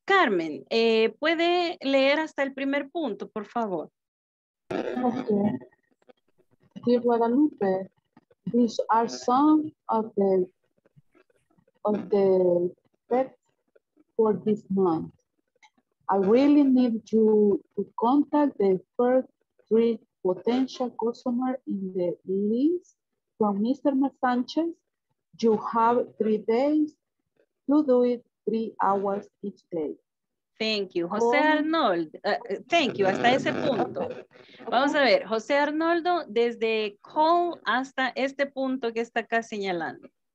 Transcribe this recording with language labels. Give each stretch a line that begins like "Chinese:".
Spanish: Carmen, ¿puede leer hasta el primer punto, por favor?
English: Okay. Dear Guadalupe, these are some of the pets for this month. I really need you to contact the first 3 potential customers in the list from Mr. Sanchez. You have 3 days to do it, 3 hours each day. Thank you, José Arnold. Thank you,
Spanish: hasta ese punto. Vamos a ver, José Arnoldo, desde call hasta este punto que está acá señalando.